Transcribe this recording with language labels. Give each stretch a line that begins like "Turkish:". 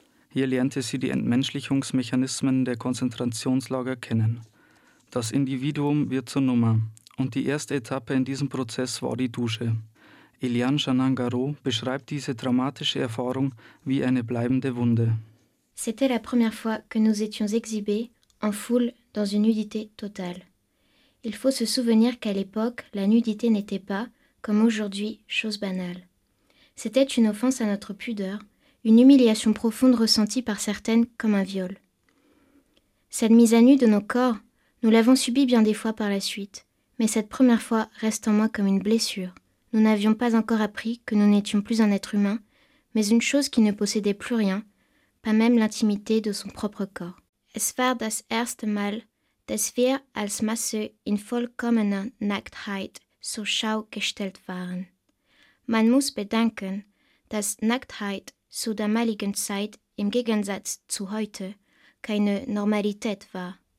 German: Hier lernte sie die Entmenschlichungsmechanismen der Konzentrationslager kennen. Das Individuum wird zur Nummer. Und die erste Etappe in diesem Prozess war die Dusche. Eliane Chanangaro beschreibt diese dramatische Erfahrung wie eine bleibende Wunde.
French: C'était la première fois que nous étions exhibés en foule dans une nudité totale. Il faut se souvenir qu'à l'époque, la nudité n'était pas, comme aujourd'hui, chose banale. C'était une offense à notre pudeur, une humiliation profonde ressentie par certaines comme un viol. Cette mise à nu de nos corps, nous l'avons subie bien des fois par la suite. Mais cette première fois reste en moi comme une blessure. Nous n'avions pas encore appris que nous n'étions plus un être humain, mais une chose qui ne possédait plus rien, pas même l'intimité de son propre corps.
German: Es war das erste Mal, dass wir als Masse in vollkommener Nacktheit zur Schau gestellt waren. Man muss bedenken, dass Nacktheit zu damaligen Zeit im Gegensatz zu heute keine Normalität war.